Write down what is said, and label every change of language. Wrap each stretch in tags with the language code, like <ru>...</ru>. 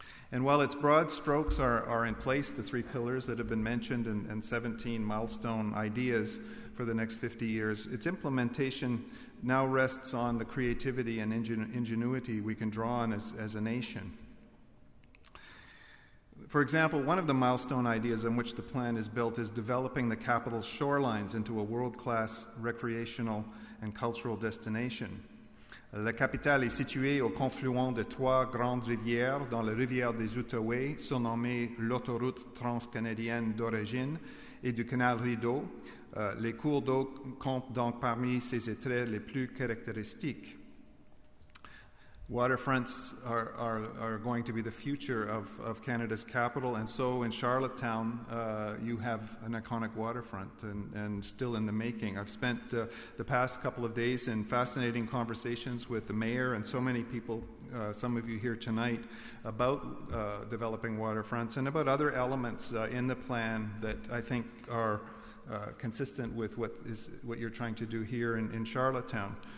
<en>And while its broad strokes are in place, the three pillars that have been mentioned and 17 milestone ideas for the next 50 years, its implementation now rests on the creativity and ingenuity we can draw on as a nation. For example, one of the milestone ideas on which the plan is built is developing the capital's shorelines into a world-class recreational and cultural destination.</en> <fr>La capitale est située au confluent de trois grandes rivières dans la rivière des Outaouais, surnommée l'autoroute transcanadienne d'origine et du canal Rideau. Les cours d'eau comptent donc parmi ses attraits les plus caractéristiques.</fr> <en>Waterfronts are going to be the future of Canada's capital, and so in Charlottetown, you have an iconic waterfront and still in the making. I've spent the past couple of days in fascinating conversations with the mayor and so many people, some of you here tonight, about developing waterfronts and about other elements in the plan that I think are consistent with what you're trying to do here in Charlottetown.</en>